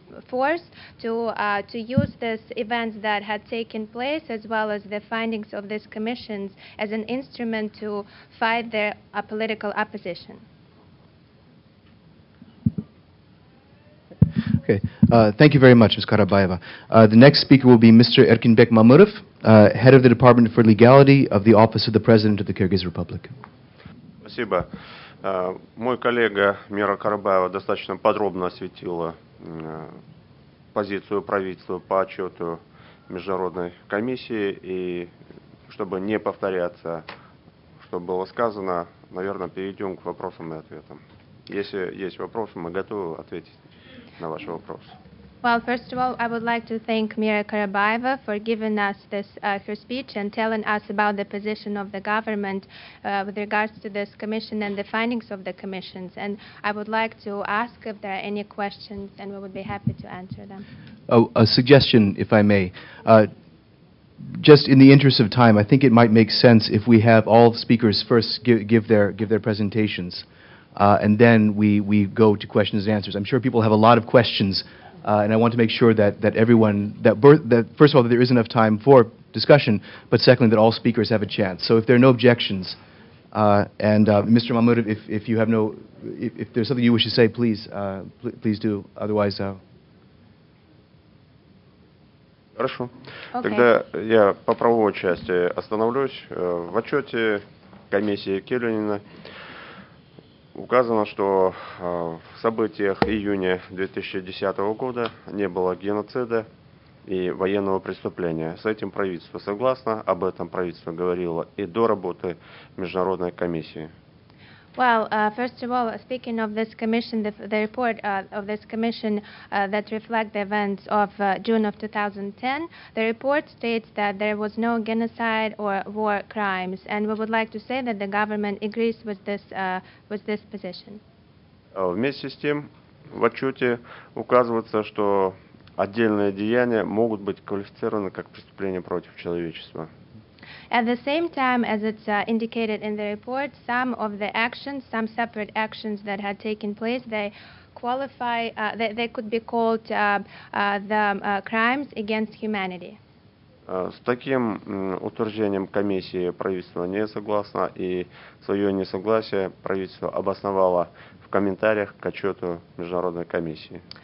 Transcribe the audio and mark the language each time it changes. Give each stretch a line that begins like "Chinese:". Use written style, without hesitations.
English: force to use this event that had taken place, as well as the findings of these commissions, as an instrument to fight their political opposition. Okay, thank you very much, Ms. Karabayeva. The next speaker will be Mr. Erkinbek Mamurov, head of the Department for Legality of the Office of the President of the Kyrgyz Republic.
Russian: Спасибо. Мой коллега Мира Карабаева достаточно подробно осветила позицию правительства по отчету Международной комиссии. И чтобы не повторяться, что было сказано, наверное, перейдем к вопросам и ответам. Если есть вопросы, мы готовы ответить на ваши вопросы.
English: Well, first of all, I would like to thank Mira Karabayeva for giving us this her speech and telling us about the position of the government with regards to this commission and the findings of the commissions. And I would like to ask if there are any questions, and we would be happy to answer them. Oh, a suggestion, if I may. Just in the interest of time, I think it might make sense if we have all speakers first give their presentations, and then we go to questions and answers. I'm sure people have a lot of questions. And I want to make sure that first of all, that there is enough time for discussion, but secondly, that all speakers have a chance. So if there are no objections, Mr. Mahmoud, if you have no, if there's something you wish to say, please, please do. Otherwise,
Russian: Хорошо.
English: Okay.
Russian: Тогда я по правовой части остановлюсь. В отчете комиссии Келлинина указано, что в событиях июня 2010 года не было геноцида и военного преступления. С этим правительство согласно, об этом правительство говорило и до работы Международной комиссии.
English: Well, first of all, speaking of this commission, the report of this commission that reflect the events of June of 2010, the report states that there was no genocide or war crimes, and we would like to say that the government agrees with this position.
Russian: Вместе с тем, в отчете указывается, что отдельные деяния могут быть квалифицированы как преступления против человечества.
English: At the same time, as it's indicated in the report, some of the actions, some separate actions that had taken place, they qualify, they could be called crimes against humanity.
Russian: С таким утверждением комиссии правительство не согласно, и свое несогласие правительство обосновало в комментариях к отчету Международной комиссии.